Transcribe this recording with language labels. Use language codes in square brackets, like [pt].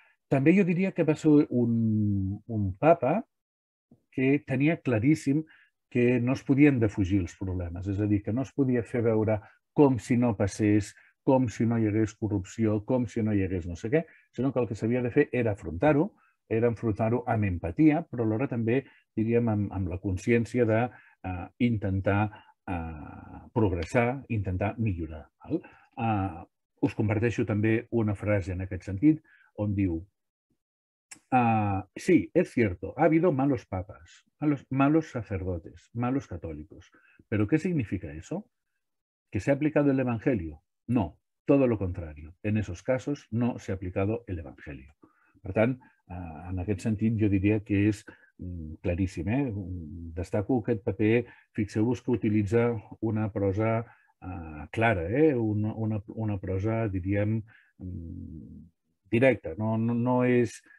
[ca] També jo diria que va ser un papa que tenia claríssim que no es podien defugir els problemes, és a dir, que no es podia fer veure com si no passés, com si no hi hagués corrupció, com si no hi hagués no sé què, sinó que el que s'havia de fer era enfrontar-ho amb empatia, però alhora també, diríem, amb la consciència d'intentar progressar, intentar millorar. Us comparteixo també una frase en aquest sentit, on diu: [es] Sí, es cierto, ha habido malos papas, malos sacerdotes, malos católicos. ¿Pero qué significa eso? ¿Que se ha aplicado el Evangelio? No, todo lo contrario. En esos casos no se ha aplicado el Evangelio. [ca] Per tant, en aquest sentit, jo diria que és claríssim, eh? Destaco aquest paper, fixeu-vos que utilitza una prosa clara, eh? Una prosa, diríem, directa. No és...